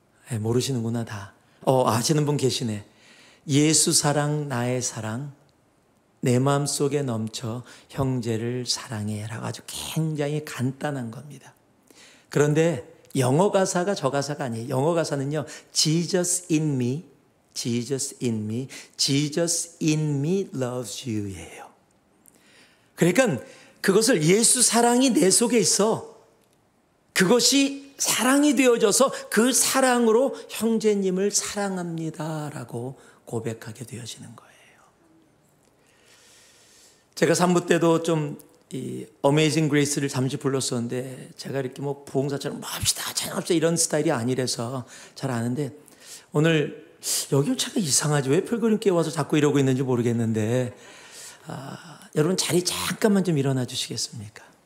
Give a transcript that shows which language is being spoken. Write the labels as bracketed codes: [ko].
[ko] 네, 모르시는구나 다. 아시는 분 계시네. 예수 사랑 나의 사랑 내 마음속에 넘쳐 형제를 사랑해라고 아주 굉장히 간단한 겁니다. 그런데 영어 가사가 저 가사가 아니에요. 영어 가사는요, [en] Jesus in me, Jesus in me, Jesus in me loves you [ko] 예요. 그러니까 그것을 예수 사랑이 내 속에 있어. 그것이 사랑이 되어져서 그 사랑으로 형제님을 사랑합니다라고 고백하게 되어지는 거예요. 제가 3부 때도 좀 이 어메이징 그레이스를 잠시 불렀었는데 제가 이렇게 뭐 부흥사처럼 뭐 합시다 찬양합시다 이런 스타일이 아니라서 잘 아는데 오늘 여기 차가 이상하지 왜 펠그림께 와서 자꾸 이러고 있는지 모르겠는데 여러분 자리 잠깐만 좀 일어나 주시겠습니까?